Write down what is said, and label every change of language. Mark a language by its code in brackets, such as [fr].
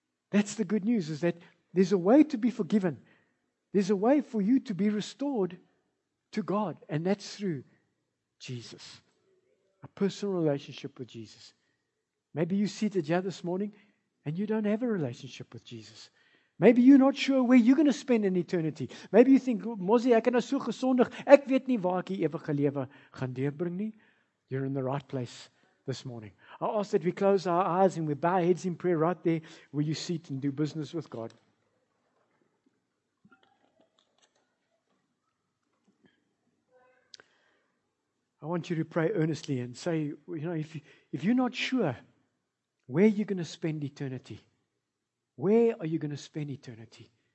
[en] That's the good news, is that there's a way to be forgiven. There's a way for you to be restored to God. And that's through Jesus. A personal relationship with Jesus. Maybe you sit here this morning and you don't have a relationship with Jesus. Maybe you're not sure where you're going to spend an eternity. Maybe you think, [af] Mozzie, ek is so gesondig, ek weet nie waar ek die ewige lewe gaan deurbring nie. [en] You're in the right place this morning. I ask that we close our eyes and we bow our heads in prayer right there where you sit and do business with God. I want you to pray earnestly and say, you know, if you're not sure where you're going to spend eternity, where are you going to spend eternity?